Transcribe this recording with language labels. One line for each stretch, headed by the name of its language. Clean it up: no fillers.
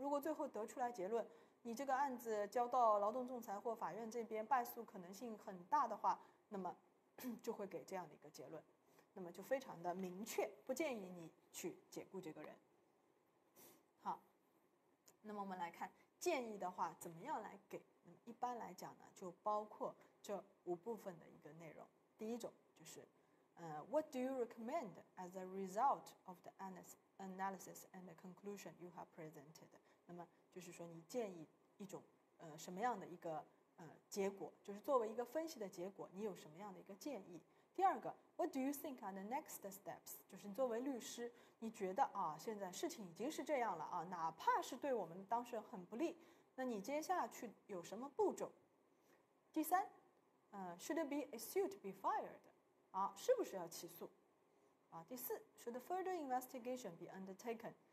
Chinese: 如果最后得出来结论你这个案子交到劳动仲裁或法院这边败诉可能性很大的话，那么就会给这样的一个结论，那么就非常的明确，不建议你去解雇这个人。好，那么我们来看建议的话怎么样来给。那么一般来讲呢，就包括这五部分的一个内容。第一种就是
English: What do you recommend as a result of the analysis and the conclusion you have presented?
Chinese: 那么就是说你建议一种什么样的一个结果，就是作为一个分析的结果你有什么样的一个建议。第二个，
English: What do you think are the next steps?
Chinese: 就是你作为律师你觉得啊，现在事情已经是这样了啊，哪怕是对我们当事人很不利，那你接下去有什么步骤。第三，
English: Should it be a suit be fired?
Chinese: 啊，是不是要起诉啊。第四，
English: Should further investigation be undertaken?